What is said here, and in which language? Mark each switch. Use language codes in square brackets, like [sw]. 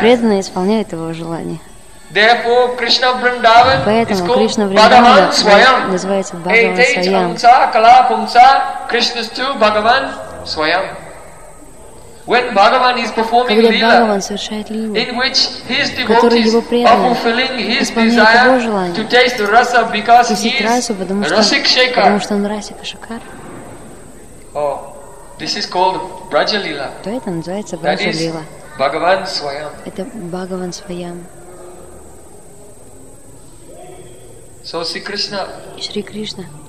[ru] Преданные исполняют его желание. [en] Therefore, Krishna Vrindavan [ru] поэтому [en] is Krishna called Bhagavan Swayam. [ru] Называется Бхагаван Свайам. Hey, Tej, Kala, Pumsa, Krishna's too, Bhagavan Swayam. [en] When Bhagavan is performing [ru] когда [en] Lila, [ru] Бхагаван совершает Лилу, [en] in which his devotees are fulfilling his desire to taste the rasa because he is Rasik Shekhar. [ru] Потому что он Расика Шакар. [en] Oh. This is called Braja Lila. [ru] То это называется Браджа Лила. Бхагаван Свайам. Это Бхагаван Свайам. [en] So Sri Krishna. [ru] Шри Кришна.